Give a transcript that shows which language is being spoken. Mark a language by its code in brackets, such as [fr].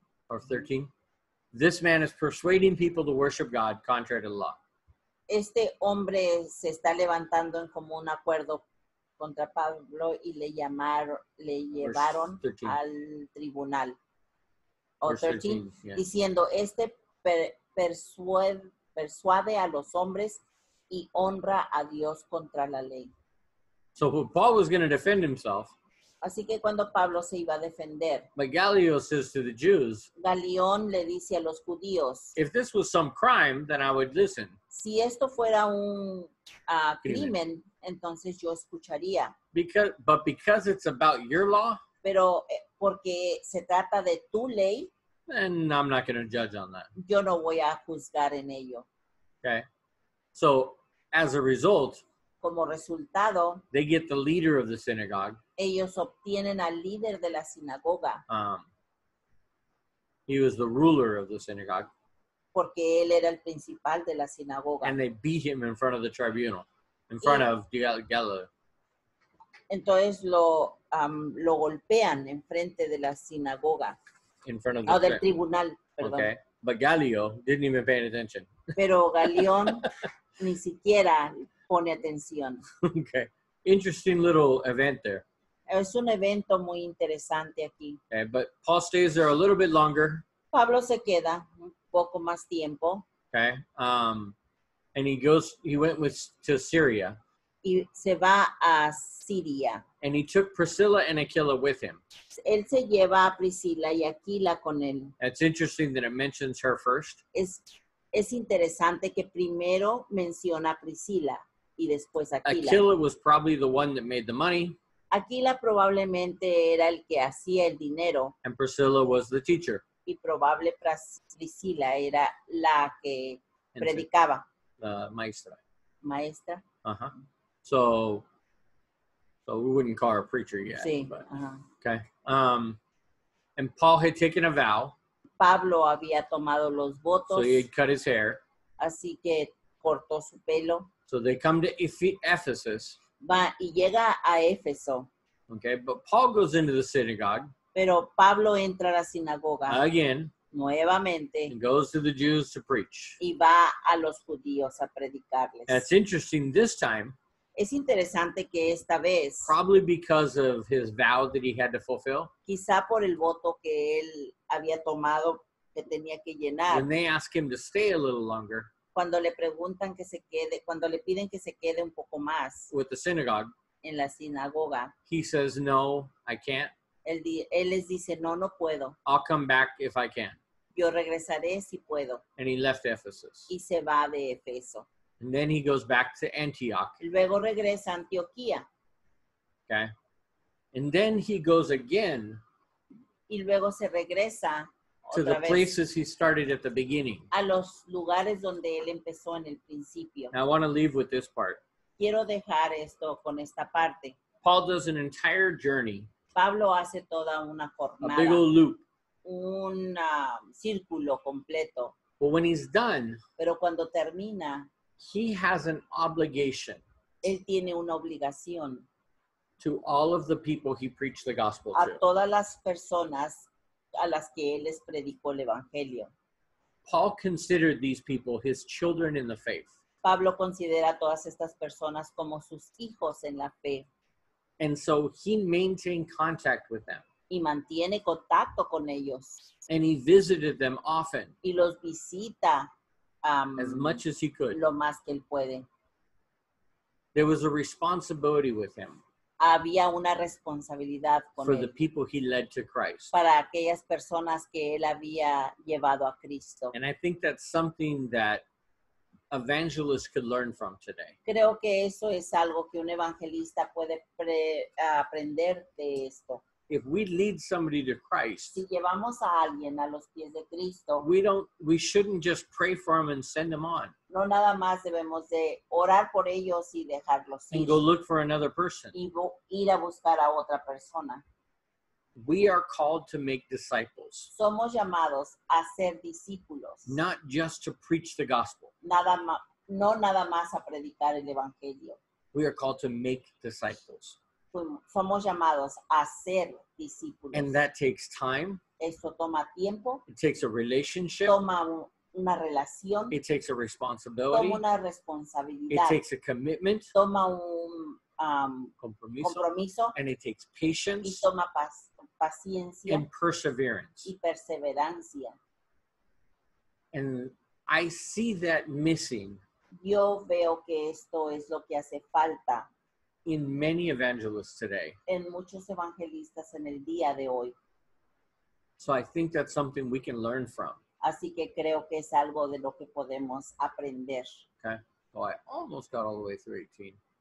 [en] Or 13, this man is persuading people to worship God contrary to law. [es] Este hombre se está levantando en común acuerdo contra Pablo y le llevaron al tribunal. [en] Verse 13, [es] diciendo, este persuade a los hombres y honra a Dios contra la ley. [en] So Paul was going to defend himself. [es] Así que cuando Pablo se iba a defender, [en] but Gallio says to the Jews, [es] Galión le dice a los judíos, [en] if this was some crime, then I would listen. [es] Si esto fuera un crimen, entonces yo escucharía. [en] Because it's about your law, [es] pero porque se trata de tu ley, [en] then I'm not going to judge on that. [es] Yo no voy a juzgar en ello. [en] Okay. So, as a result, [es] como resultado, [en] they get the leader of the synagogue. [es] Ellos obtienen al líder de la sinagoga. [en] He was the ruler of the synagogue. [es] Porque él era el principal de la sinagoga. [en] And they beat him in front of the tribunal, in front of Gallo. [es] Entonces lo golpean en frente de la sinagoga. [en] In front of [es] del tribunal, perdón. Okay. [en] But Gallio didn't even pay any attention. [es] Pero Galeón ni siquiera pone atención. [en] Okay. Interesting little event there. [es] Es un evento muy interesante aquí. [en] Okay, but Paul stays there a little bit longer. [es] Pablo se queda un poco más tiempo. [en] Okay. He went to Syria. [es] Y se va a Siria. [en] And he took Priscilla and Aquila with him. [es] Él se lleva a Priscila y Aquila con él. [en] It's interesting that it mentions her first. [es] Es interesante que primero menciona a Priscila y después a Aquila. [en] Aquila was probably the one that made the money. [es] Aquila probablemente era el que hacía el dinero. [en] And Priscilla was the teacher. [es] Y probable Priscila era la que predicaba. La maestra. Maestra. [en] Uh-huh. So we wouldn't call her a preacher yet. [es] Sí. [en] Okay. And Paul had taken a vow. [es] Pablo había tomado los votos. [en] So he had cut his hair. [es] Así que cortó su pelo. [en] So they come to Ephesus. [es] Va y llega a Éfeso. [en] Okay, but Paul goes into the synagogue. [es] Pero Pablo entra a la sinagoga. [en] Again. [es] Nuevamente. [en] And goes to the Jews to preach. [es] Y va a los judíos a predicarles. [en] That's interesting this time. [es] Es interesante que esta vez. [en] Probably because of his vow that he had to fulfill. [es] Quizá por el voto que él había tomado que tenía que llenar. [en] When they ask him to stay a little longer. [es] Cuando le preguntan que se quede, cuando le piden que se quede un poco más. [en] With the synagogue. [es] En la sinagoga. [en] He says, no, I can't. [es] Él les dice, no, no puedo. [en] I'll come back if I can. [es] Yo regresaré si puedo. [en] And he left Ephesus. [es] Y se va de Éfeso. [en] And then he goes back to Antioch. [es] Luego regresa a Antioquía. [en] Okay. And then he goes again. [es] Y luego se regresa [en] to the places he started at the beginning. [es] A los lugares donde él empezó en el principio. [en] Now I want to leave with this part. [es] Quiero dejar esto con esta parte. [en] Paul does an entire journey. [es] Pablo hace toda una jornada. [en] A big old loop. [es] Un círculo completo. [en] But when he's done. [es] Pero cuando termina. [en] He has an obligation. [es] Él tiene una obligación. [en] To all of the people he preached the gospel to. [es] A todas las personas a las que él les predicó el evangelio. [en] Paul considered these people his children in the faith. [es] Pablo considera a todas estas personas como sus hijos en la fe. [en] And so he maintained contact with them. [es] Y mantiene contacto con ellos. [en] And he visited them often. [es] Y los visita. [en] As much as he could. [es] Lo más que él puede. [en] There was a responsibility with him. [es] Había una responsabilidad con [en] for [es] él. [en] For the people he led to Christ. [es] Para aquellas personas que él había llevado a Cristo. [en] And I think that's something that evangelists could learn from today. [es] Creo que eso es algo que un evangelista puede aprender de esto. [en] If we lead somebody to Christ, [es] si llevamos a alguien a los pies de Cristo, [en] we shouldn't just pray for them and send them on. [es] No nada más debemos de orar por ellos y dejarlos ir. [en] And go look for another person. [es] Y ir a buscar a otra persona. [en] We are called to make disciples. [es] Somos llamados a ser discípulos. [en] Not just to preach the gospel. [es] No nada más a predicar el evangelio. [en] We are called to make disciples. [es] Somos llamados a ser discípulos. [en] And that takes time. [es] Esto toma tiempo. [en] It takes a relationship. [es] Toma una relación. [en] It takes a responsibility. [es] Toma una responsabilidad. [en] It takes a commitment. [es] Toma un compromiso. [en] And it takes patience. [es] Y toma paciencia. [en] And perseverance. [es] Y perseverancia. [en] And I see that missing. [es] Yo veo que esto es lo que hace falta. [en] In many evangelists today. [es] En muchos evangelistas en el día de hoy. [en] So I think that's something we can learn from. [es] Así que creo que es algo de lo que podemos aprender. [en] Okay. Oh, I almost got all the way through 18.